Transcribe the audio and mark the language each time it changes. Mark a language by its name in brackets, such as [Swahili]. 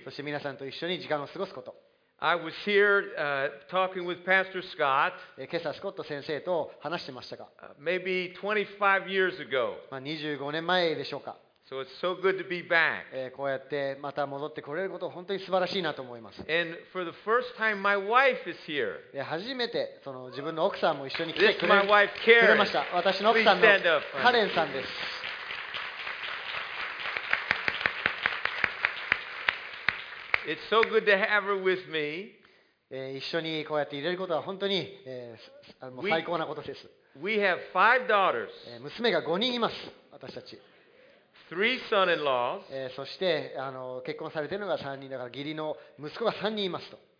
[Japanese] そして皆さんと一緒に時間を過ごすこと。 [English] I was here, talking with Pastor Scott. [Japanese] 今朝スコット先生と話してましたか。 [English] Maybe 25 years ago. [Japanese] まあ25年前でしょうか。 [English] So it's so good to be back. [Japanese] こうやってまた戻ってこれること本当に素晴らしいなと思います。 [English] And for the first time, my wife is here. [Japanese] 初めてその自分の奥さんも一緒に来てくれ、 [English] my wife, Karen. [Japanese] くれました。私の奥さんのカレンさんです。 [English] It's so good to have her with me. [Japanese] 一緒にこうやって入れることは本当に、もう最高なことです。 [English] We have five daughters. [Japanese] 娘が5人います、私たち。 [English] Three son-in-laws. [Japanese] そして結婚されているのが3人だから義理の息子が3人いますと。